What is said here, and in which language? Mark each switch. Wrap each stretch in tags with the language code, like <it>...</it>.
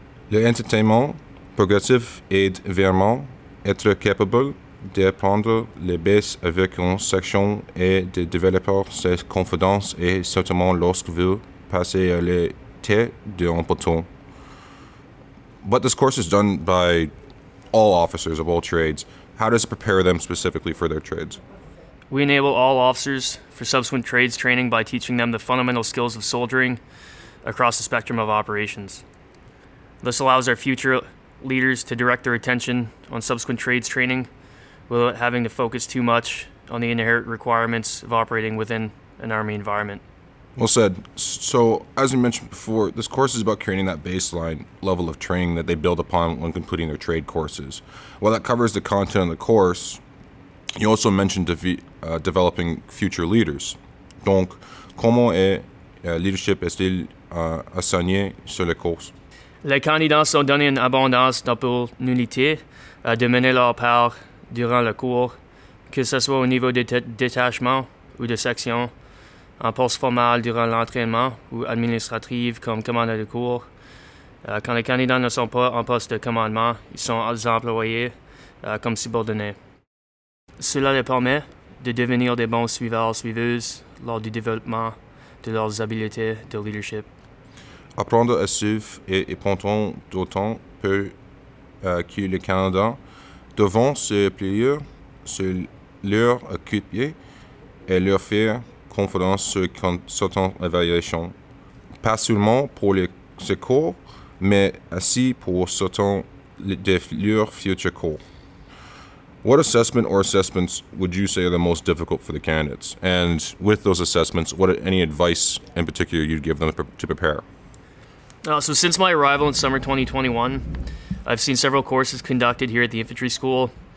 <fr>Le entraînement progressif aide vraiment être capable d'apprendre les bases avec une section et de développer ses confidences et certainement lorsque vous passer à la tête d'un peloton.</fr> <en>But this course is done by all officers of all trades. How does it prepare them specifically for their trades? We enable all officers for subsequent trades training by teaching them the fundamental skills of soldiering across the spectrum of operations. This allows our future leaders to direct their attention on subsequent trades training without having to focus too much on the inherent requirements of operating within an Army environment. Well said. So, as you mentioned before, this course is about creating that baseline level of training that they build upon when completing their trade courses. While that covers the content of the course, you also mentioned developing future leaders.</en> <fr>Donc, comment est leadership est-il assigné sur le course? Les candidats sont donnés une abondance d'opportunités de mener leur part durant le cours, que ce soit au niveau de détachement ou de section, en poste formal durant l'entraînement ou administrative comme commandant de cours. Quand les candidats ne sont pas en poste de commandement, ils sont employés comme subordonnés. Cela les permet de devenir des bons suiveurs suiveuses lors du développement de leurs habiletés de leadership. Apprendre à suivre est important d'autant peu que les candidats devront se plier sur leur équipier et leur faire confiance sur certaines évaluations, pas seulement pour les cours, mais aussi pour certains de leurs futurs cours.</fr> <en>What assessment or assessments would you say are the most difficult for the candidates? And with those assessments, what any advice in particular you'd give them to prepare? So since my arrival in summer 2021, I've seen several courses conducted here at the infantry school.</en>